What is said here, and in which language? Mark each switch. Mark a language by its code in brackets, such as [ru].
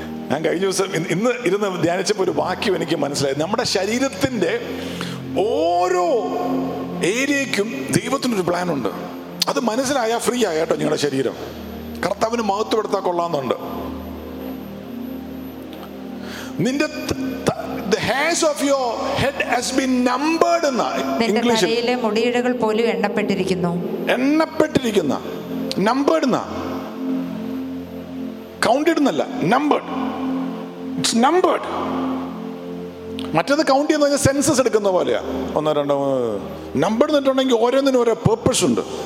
[ml] ഞാൻ കഴിഞ്ഞ ദിവസം ഇന്ന് ഇരുന്ന് ധ്യാനിച്ചപ്പോൾ ഒരു വാക്യം എനിക്ക് മനസ്സിലായി. നമ്മുടെ ശരീരത്തിൻ്റെ ഓരോ ഏരിയയ്ക്കും ദൈവത്തിനൊരു പ്ലാനുണ്ട്. അത് മനസ്സിലായാൽ ഫ്രീ ആയ കേട്ടോ. നിങ്ങളുടെ ശരീരം കർത്താവിന് മഹത്വപ്പെടുത്താൻ കൊള്ളാമെന്നുണ്ട്. [en] നിന്റെ the hairs of your head has been numbered in English. [ml] നിന്റെ തലയിലെ മുടിയിഴകൾ പോലും എണ്ണപ്പെട്ടിരിക്കുന്നു. [en] എണ്ണപ്പെട്ടിരിക്കുന്ന numbered എന്ന counted എന്നല്ല, numbered. It's numbered. [ml] മറ്റത് കൗണ്ട് ചെയ്യുന്ന സെൻസസ് എടുക്കുന്ന പോലെയാ, ഒന്ന് രണ്ട് മൂന്ന്. നമ്പർ എന്നിട്ടുണ്ടെങ്കിൽ ഓരോന്നിനും ഓരോ പേർപ്പസ് ഉണ്ട്.